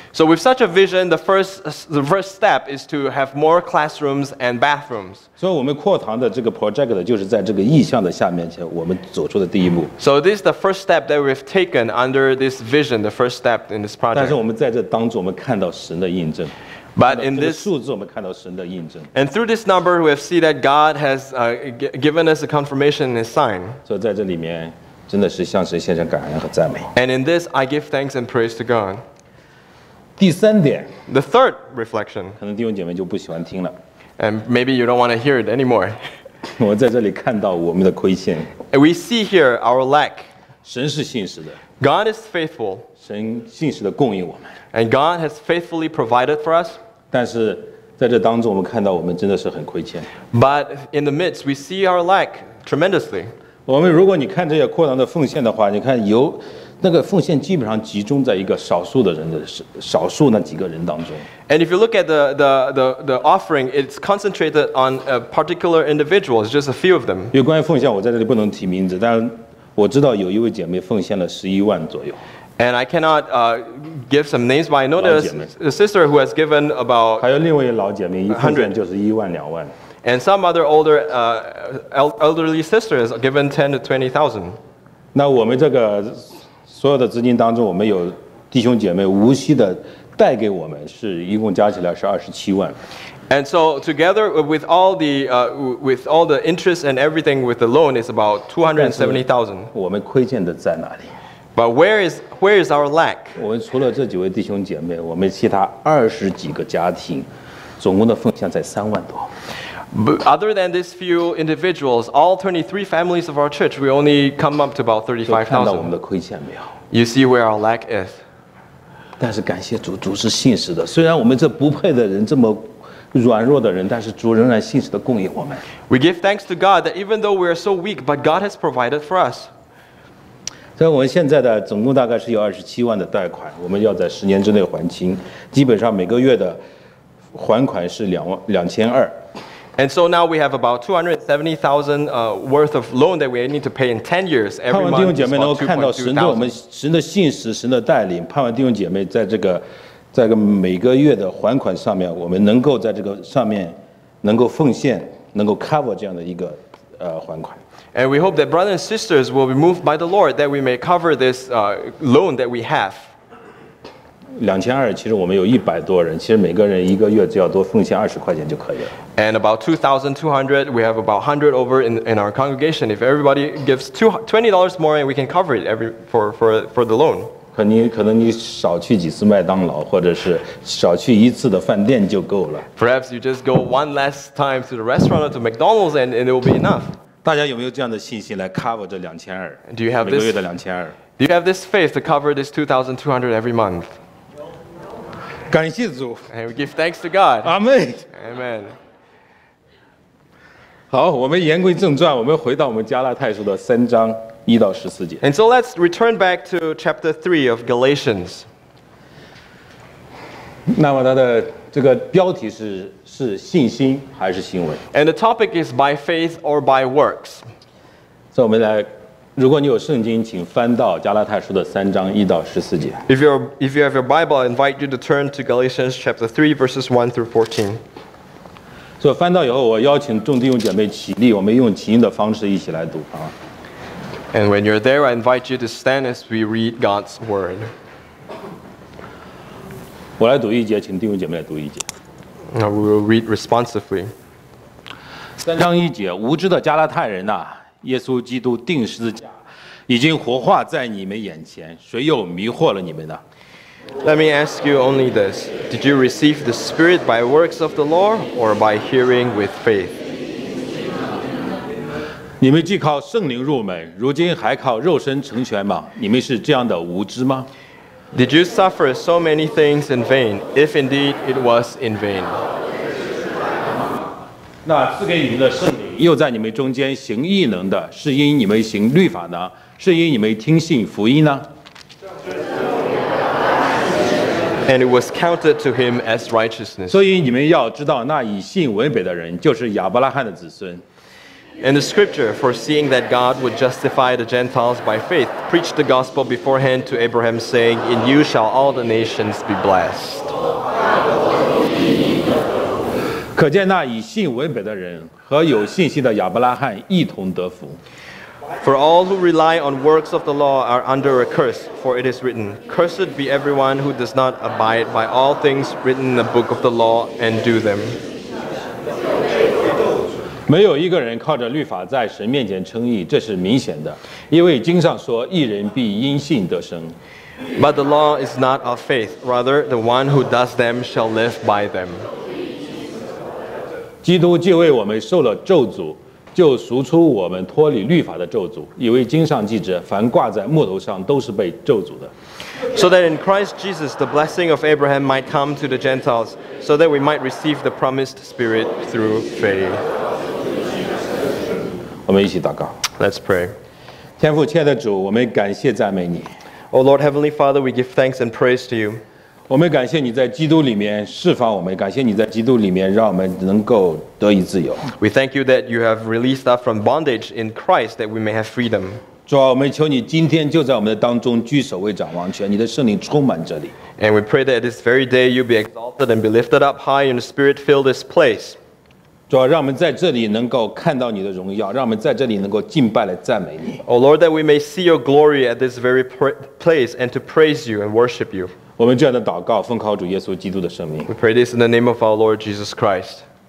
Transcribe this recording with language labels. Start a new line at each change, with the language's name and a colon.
English: So with such a vision, the first step is to have more classrooms and bathrooms.
Chinese: 所以我们扩堂的这个 project 就是在这个意向的下面前，我们走出的第一步。
English: So this is the first step that we've taken under this vision, the first step in this project.
Chinese: 但是我们在这当中，我们看到神的印证。
English: But in this
Chinese: 数字，我们看到神的印证。
English: And through this number, we have seen that God has given us a confirmation and a sign.
Chinese: 所以在这里面。真的是向神献上感恩和赞美。
English: And in this, I give thanks and praise to God.
Chinese: 第三点
English: ，the third reflection，
Chinese: 可能弟兄姐妹就不喜欢听了。
English: And maybe you don't want to hear it anymore.
Chinese: 我在这里看到我们的亏欠。
English: And we see here our lack.
Chinese: 神是信实的。
English: God is faithful.
Chinese: 神信实的供应我们。
English: And God has faithfully provided for us.
Chinese: 但是在这当中，我们看到我们真的是很亏欠。
English: But in the midst, we see our lack tremendously.
Chinese: 我们如果你看这些扩堂的奉献的话，你看有那个奉献基本上集中在一个少数的人的少数那几个人当中。
English: And if you look at the offering, it's concentrated on a particular individual, just a few of them.
Chinese: 有关于奉献，我在这里不能提名字，但我知道有一位姐妹奉献了11万左右。
English: And I cannot give some names, but I know there's a sister who has given about
Chinese: 还有另外一老姐妹一奉献就是1万2万。
English: And some other older, elderly sister has given 10,000 to 20,000.
Chinese: 那我们这个所有的资金当中，我们有弟兄姐妹无息的带给我们，是一共加起来是27万。
English: And so together with all the interest and everything with the loan is about 270,000.
Chinese: 我们亏欠的在哪里？
English: But where is our lack?
Chinese: 我们除了这几位弟兄姐妹，我们其他20几个家庭，总共的奉献在3万多。
English: But other than these few individuals, all 23 families of our church, we only come up to about 35,000.
Chinese: 看到我们的亏欠没有
English: ？You see where our lack is.
Chinese: 但是感谢主，主是信实的。虽然我们这不配的人这么软弱的人，但是主仍然信实地供应我们。
English: We give thanks to God that even though we are so weak, but God has provided for us.
Chinese: 所以我们现在的总共大概是有27万的贷款，我们要在10年之内还清，基本上每个月的还款是2200。
English: And so now we have about 270,000 worth of loan that we need to pay in 10 years every month.
Chinese: 盼望弟兄姐妹能够看到神的我们神的信实、神的带领。盼望弟兄姐妹在这个，在这个每个月的还款上面，我们能够在这个上面能够奉献，能够 cover 这样的一个还款。
English: And we hope that brothers and sisters will be moved by the Lord that we may cover this loan that we have.
Chinese: 2200，其实我们有100多人，其实每个人一个月只要多奉献20块钱就可以了。
English: And about 2,200, we have about 100 over in our congregation. If everybody gives $20 more, we can cover it for the loan.
Chinese: 可能你少去几次麦当劳，或者是少去一次的饭店就够了。
English: Perhaps you just go one last time to the restaurant or to McDonald's, and it will be enough.
Chinese: 大家有没有这样的信心来 cover 这两千二？
English: Do you have this?
Chinese: 每个月的两千二。
English: Do you have this faith to cover this 2,200 every month?
Chinese: 感谢主。
English: And we give thanks to God. Amen. Amen.
Chinese: 好，我们言归正传，我们回到我们加拉太书的3:1-14。
English: And so let's return back to chapter 3 of Galatians.
Chinese: 那么它的这个标题是信心还是行为
English: ？And the topic is by faith or by works.
Chinese: 所以我们来，如果你有圣经，请翻到加拉太书的3:1-14。
English: If you have your Bible, I invite you to turn to Galatians chapter 3 verses 1-14.
Chinese: 所以翻到以后，我邀请众弟兄姐妹起立，我们用起音的方式一起来读啊。
English: And when you're there, I invite you to stand as we read God's word.
Chinese: 我来读一节，请弟兄姐妹来读一节。
English: Now we will read responsively.
Chinese: 3:1，无知的加拉太人呐、啊，耶稣基督钉十字架，已经活化在你们眼前，谁又迷惑了你们呢？
English: Let me ask you only this. Did you receive the Spirit by works of the law or by hearing with faith?
Chinese: 你们既靠圣灵入门，如今还靠肉身成全吗？你们是这样的无知吗？
English: Did you suffer so many things in vain, if indeed it was in vain?
Chinese: 那赐给你们的圣灵，又在你们中间行异能的，是因你们行律法呢？是因你们听信福音呢？
English: And it was counted to him as righteousness.
Chinese: 所以你们要知道，那以信为本的人就是亚伯拉罕的子孙。
English: And the scripture, foreseeing that God would justify the Gentiles by faith, preached the gospel beforehand to Abraham, saying, "In you shall all the nations be blessed."
Chinese: 可见那以信为本的人和有信心的亚伯拉罕一同得福。
English: For all who rely on works of the law are under a curse, for it is written, Cursed be everyone who does not abide by all things written in the book of the law and do them.
Chinese: 没有一个人靠着律法在神面前称义，这是明显的，因为经上说，义人必因信得生。
English: But the law is not of faith, rather, the one who does them shall live by them.
Chinese: 基督既为我们受了咒诅，就赎出我们脱离律法的咒诅，以为经上记着，凡挂在木头上都是被咒诅的。
English: So that in Christ Jesus the blessing of Abraham might come to the Gentiles, so that we might receive the promised Spirit through faith.
Chinese: 我们一起祷告。
English: Let's pray.
Chinese: 天父，亲爱的主，我们感谢赞美你。
English: O Lord, Heavenly Father, we give thanks and praise to you.
Chinese: 我们感谢你在基督里面释放我们，感谢你在基督里面让我们能够得以自由。
English: We thank you that you have released us from bondage in Christ that we may have freedom.
Chinese: 主啊，我们求你今天就在我们的当中居首位掌王权，你的圣灵充满这里。
English: And we pray that this very day you be exalted and be lifted up high and the Spirit fill this place.
Chinese: 主啊，让我们在这里能够看到你的荣耀，让我们在这里能够敬拜来赞美你。
English: O Lord, that we may see your glory at this very place and to praise you and worship you.
Chinese: 我们这样的祷告，奉靠主耶稣基督的圣名。
English: We pray this in the name of our Lord Jesus Christ.